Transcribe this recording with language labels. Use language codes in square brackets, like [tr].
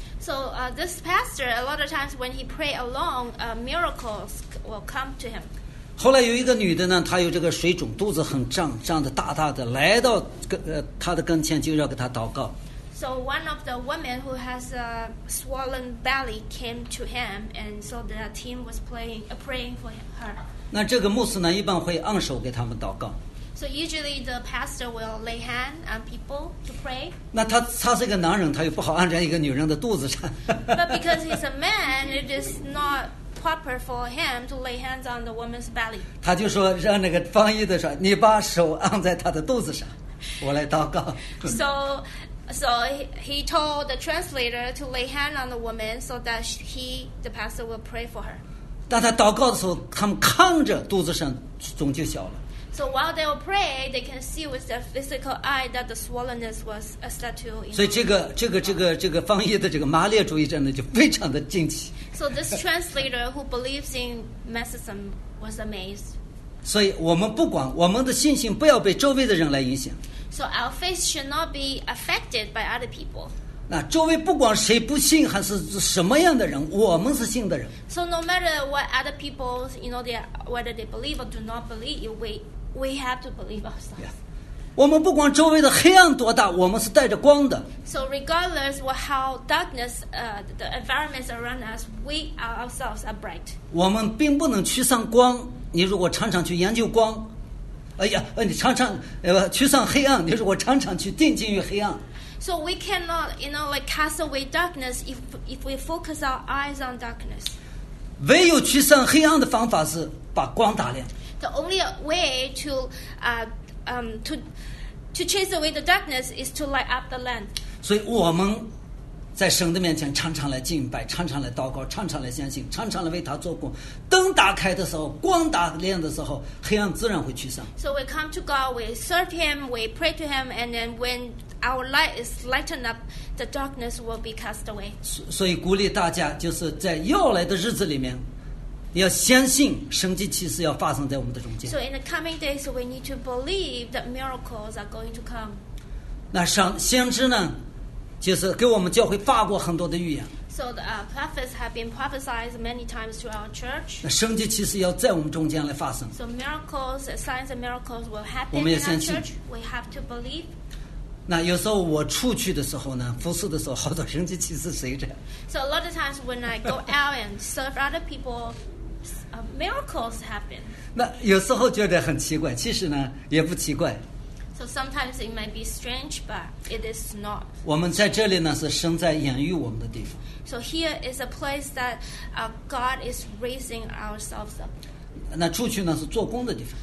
[en] So this pastor, a lot of times when he pray alone, miracles will come to him. [zh] 后来有一个女的呢，她有这个水肿，肚子很胀，胀得大大的，来到她的跟前就要给她祷告。 [en] So one of the women who has a swollen belly came to him, and so the team was praying for her. [zh] 那这个牧师呢，一般会按手给他们祷告。 [en] So usually the pastor will lay hand on people to pray. [zh] 那他是一个男人，他又不好按在一个女人的肚子上。 [en] But because he's a man, it is not proper for him to lay hands on the woman's belly. [zh] 他就说让那个翻译的说，你把手按在他的肚子上，我来祷告。 [en] So he told the translator to lay hand on the woman so that the pastor will pray for her. [zh] 当他祷告的时候，他们看着肚子上肿就小了。 [en] So while they will pray, they can see with their physical eye that the swollenness was a statue. [zh] 所以这个翻译的这个马列主义者呢，就非常的惊奇。 [en] So this translator who believes in Marxism was amazed. [zh] 所以我们不管我们的信心不要被周围的人来影响。 [en] So our faith should not be affected by other people. [zh] 那周围不管谁不信还是什么样的人，我们是信的人。 [en] So no matter what other people, you know, whether they believe or do not believe, we have to believe ourselves. Yeah. [zh] 我们不管周围的黑暗多大，我们是带着光的。 [en] So regardless of how darkness, the environment around us, we ourselves are bright. [zh] 我们并不能驱散光。你如果常常去研究光，哎呀，你常常驱散黑暗。你如果常常去定睛于黑暗。 [en] So we cannot, you know, like cast away darkness if we focus our eyes on darkness. [zh] 唯有驱散黑暗的方法是把光打亮。 [en] The only way to chase away the darkness is to light up the lamp. [zh] 所以我们在神的面前常常来敬拜，常常来祷告，常常来相信，常常来为他做工。灯打开的时候，光打亮的时候，黑暗自然会驱散。 [en] So we come to God, we serve Him, we pray to Him, and then when our light is lightened up, the darkness will be cast away. [zh] 所以鼓励大家，就是在要来的日子里面。要相信神迹奇事要发生在我们的中间。 [en] So in the coming days, we need to believe that miracles are going to come. [zh] 那先知呢，就是给我们教会发过很多的预言。 [en] So the prophets have been prophesied many times to our church. [zh] 那神迹奇事要在我们中间来发生。 [en] So miracles, signs and miracles will happen. [zh] 我们要相信。 [en] We have to believe. [zh] 那有时候我出去的时候呢，服侍的时候，好多神迹奇事随着。 [en] So a lot of times when I go out and serve other people, miracles happen. [zh] 那有时候觉得很奇怪，其实呢也不奇怪。 [en] So sometimes it might be strange, but it is not. [zh] 我们在这里呢是神在养育我们的地方。 [en] So here is a place that God is raising ourselves up. [zh] 那出去呢是做工的地方。